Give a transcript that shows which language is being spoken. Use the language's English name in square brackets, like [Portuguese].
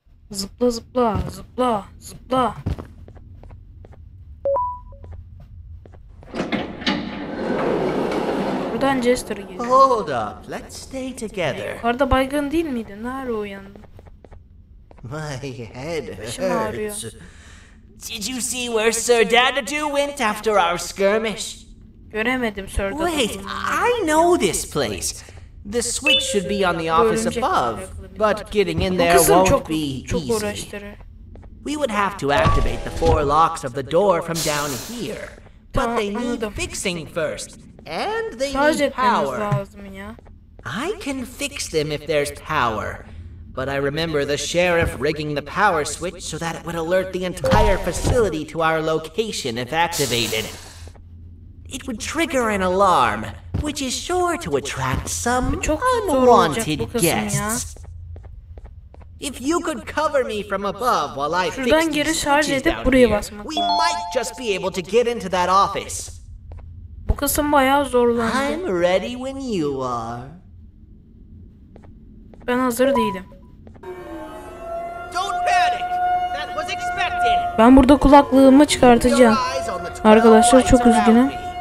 [Turkish] Zıpla zıpla zıpla zıpla. Buradan Jester geliyor. [English] Hold up, let's stay together. [Turkish] Yukarıda baygın değil miydi? Nerede uyandın? [English] My head hurts. Did you see where Sir Dadadu went after our skirmish? [Turkish] Göremedim Sir Dadadu. [English] Wait, I know this place. The switch should be on the office above, but getting in there won't be easy. We would have to activate the four locks of the door from down here. But they need fixing first, and they need power. I can fix them if there's power, but I remember the sheriff rigging the power switch so that it would alert the entire facility to our location if activated. It would trigger an alarm, which is sure to attract some unwanted guests. If you could cover me from above while I fix these switches down here, we might just be able to get into that office. [Turkish] Bu kısım bayağı zorlandı. [English] I'm ready when you are. [Turkish] Ben hazır değilim. [English] Don't panic. That was expected. [Turkish] Ben burada kulaklığımı çıkartacağım. Arkadaşlar çok üzgünüm.